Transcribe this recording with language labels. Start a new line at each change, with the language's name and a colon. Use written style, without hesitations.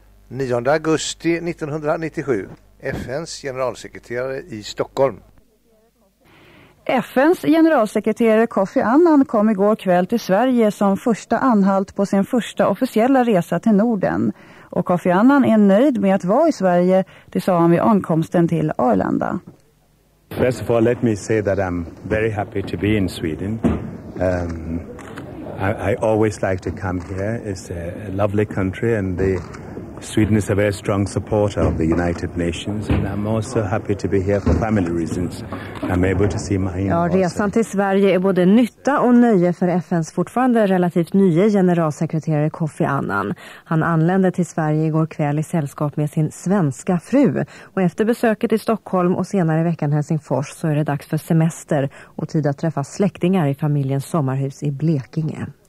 Swedish: August 1997. FNs generalsekreterare i Stockholm. FNs generalsekreterare Kofi Annan kom igår kväll till Sverige som första anhalt på sin första officiella resa till Norden. Och Kofi Annan är nöjd med att vara i Sverige, det sa han vid ankomsten till Arlanda.
English: First of all, let me say that I'm very happy to be in Sweden. I always like to come here. It's a lovely country and the Sweden is a very strong supporter of the United Nations and I'm also happy to be here for family reasons. I'm able to see Mahin.
Swedish: Ja, resan till Sverige är både nytta och nöje för FNs fortfarande relativt nya generalsekreterare Kofi Annan. Han anlände till Sverige igår kväll i sällskap med sin svenska fru och efter besöket i Stockholm och senare i veckan Helsingfors så är det dags för semester och tid att träffa släktingar i familjens sommarhus i Blekinge.